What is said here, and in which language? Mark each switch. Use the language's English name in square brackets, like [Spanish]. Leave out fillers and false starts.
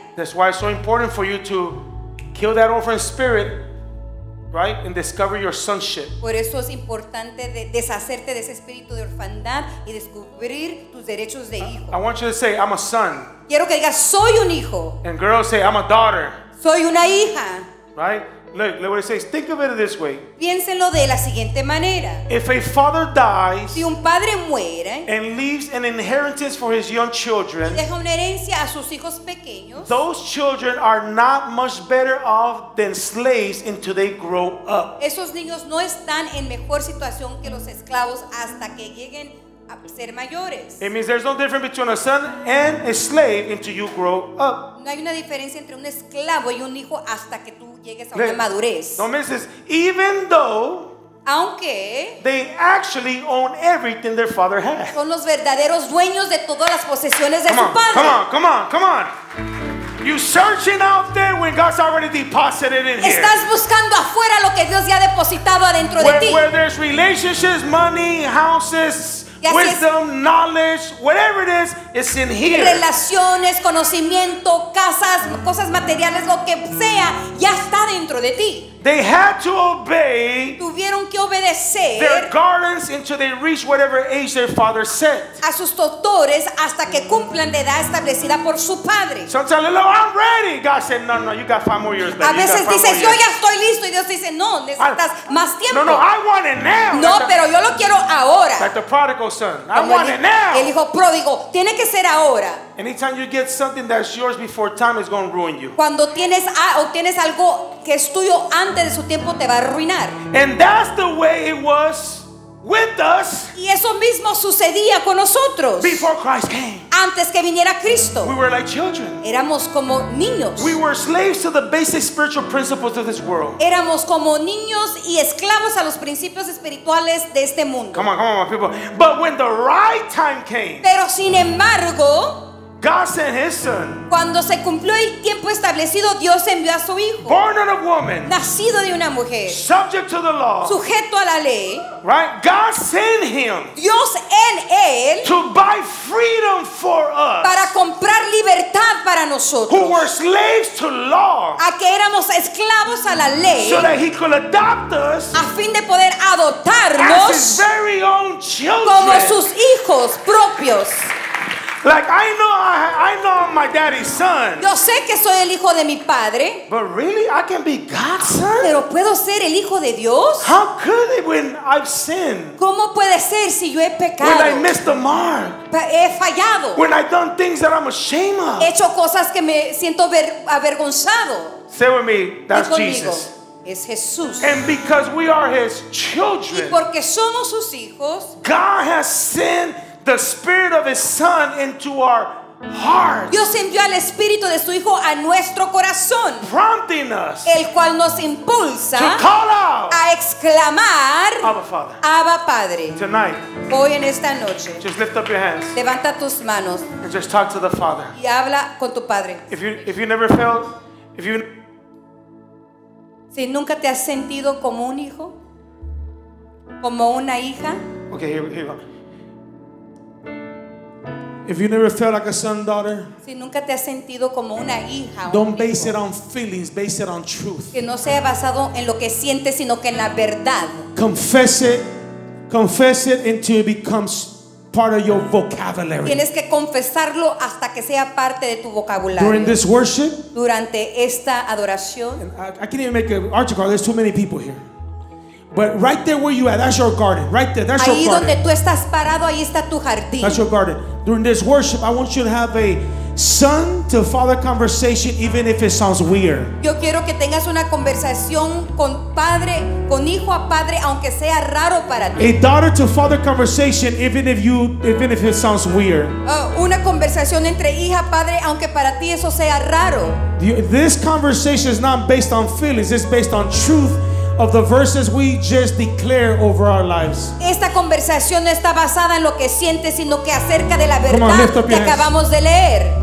[English] That's why it's so important for you to kill that orphan spirit, right? And discover your sonship. [Spanish] Por eso es importante de deshacerte de ese espíritu de orfandad y descubrir tus derechos de hijo. [English] I want you to say, I'm a son. [Spanish] Quiero que digas, soy un hijo. [English] And girls say, I'm a daughter. [Spanish] Soy una hija. [English] Right? Look, look what it says. Think of it this way. [Spanish] Piénselo de la siguiente manera. [English] If a father dies, [Spanish] si un padre muere, [English] and leaves an inheritance for his young children, [Spanish] y deja una herencia a sus hijos pequeños, [English] those children are not much better off than slaves until they grow up. [Spanish] Esos niños no están en mejor situación que los esclavos hasta que lleguen a ser mayores. [English] It means there's no difference between a son and a slave until you grow up. [Spanish] No hay una diferencia entre un esclavo y un hijo hasta que tú llegues a una madurez. [English] No means this. Even though, [Spanish] aunque, [English] they actually own everything their father had. [Spanish] Son los verdaderos dueños de todas las posesiones de [English] come [Spanish] su padre. [English] On, come on, come on, come on. You searching out there when God's already deposited in here. [Spanish] Estás buscando afuera lo que Dios ya ha depositado adentro de ti. [English] Where there's relationships, money, houses, wisdom, knowledge, whatever it is, it's in here. [Spanish] Relaciones, conocimiento, casas, cosas materiales, lo que sea, ya está dentro de ti. [English] They had to obey. [Spanish] Tuvieron que obedecer. [English] Their guardians until they reach whatever age their father set. [Spanish] A sus tutores hasta que cumplan la edad establecida por su padre. [English] Sometimes, no, I'm ready. God said, no, no, you got five more years. [Spanish] A veces dices, yo ya estoy listo, y Dios dice, no, necesitas más tiempo. [English] No, no, I want it now. [Spanish] No, pero yo lo quiero ahora. [English] Like the prodigal son, I want it now. [Spanish] El hijo pródigo tiene que ser ahora. [English] Anytime you get something that's yours before time, it's going to ruin you. [Spanish] Cuando tienes obtienes algo que es tuyo antes de su tiempo, te va a arruinar. [English] And that's the way it was with us. [Spanish] Y eso mismo sucedía con nosotros. [English] Before Christ came. [Spanish] Antes que viniera Cristo. [English] We were like children. [Spanish] Éramos como niños. [English] We were slaves to the basic spiritual principles of this world. [Spanish] Éramos como niños y esclavos a los principios espirituales de este mundo. [English] Come on, come on, my people. But when the right time came. [Spanish] Pero sin embargo, [English] God sent his son. [Spanish] Cuando se cumplió el tiempo establecido, Dios envió a su hijo. [English] Born of a woman. [Spanish] Nacido de una mujer. [English] Subject to the law. [Spanish] Sujeto a la ley. [English] Right? God sent him. [Spanish] Dios en él. [English] To buy freedom for us. [Spanish] Para comprar libertad para nosotros. [English] Who were slaves to law. [Spanish] A que éramos esclavos a la ley. [English] So that he could adopt us. [Spanish] A fin de poder adoptarnos. [English] As his very own children. [Spanish] Como sus hijos propios. [English] Like I know I'm my daddy's son. [Spanish] Yo sé que soy el hijo de mi padre. [English] But really, I can be God's son? [Spanish] Pero puedo ser el hijo de Dios? [English] How could it when I've sinned? [Spanish] ¿Cómo puede ser si yo he pecado? [English] When I missed the mark. [Spanish] He fallado. [English] When I've done things that I'm ashamed of. [Spanish] He hecho cosas que me siento avergonzado. [English] Say with me, that's Jesus. [Spanish] Es Jesús. [English] And because we are his children. [Spanish] Y porque somos sus hijos. [English] God has sinned. The spirit of his son into our hearts. [Spanish] Dios envió al espíritu de su hijo a nuestro corazón. [English] Prompting us. [Spanish] El cual nos impulsa. [English] To call out. [Spanish] A exclamar. [English] Abba Father. [Spanish] Abba Padre. [English] Tonight. [Spanish] Hoy en esta noche. [English] Just lift up your hands. [Spanish] Levanta tus manos. [English] And just talk to the Father. [Spanish] Y habla con tu padre. [English] If you never felt. [Spanish] Si nunca te has sentido como un hijo. Como una hija. [English] Okay, here we go. If you never felt like a son, daughter, [Spanish] si nunca te has sentido como una hija, [English] don't base it on feelings, base it on truth. [Spanish] Que no sea basado en lo que sientes, sino que en la verdad. [English] Confess it until it becomes part of your vocabulary. [Spanish] Tienes que confesarlo hasta que sea parte de tu vocabulario. [English] During this worship, [Spanish] durante esta adoración, [English] I can't even make an altar call. There's too many people here. But right there where you are, that's your garden. Right there, that's [Spanish] ahí [English] your garden. [Spanish] Ahí donde tú estás parado, ahí está tu jardín. [English] That's your garden. During this worship, I want you to have a son to father conversation, even if it sounds weird. [Spanish] Yo quiero que tengas una conversación con padre, con hijo a padre, aunque sea raro para ti. [English] A daughter to father conversation, even if it sounds weird. [Spanish] Una conversación entre hija padre, aunque para ti eso sea raro. [English] This conversation is not based on feelings; it's based on truth. Of the verses we just declare over our lives. [Spanish] Esta conversación no está basada en lo que sientes, sino que acerca de la verdad que acabamos de leer.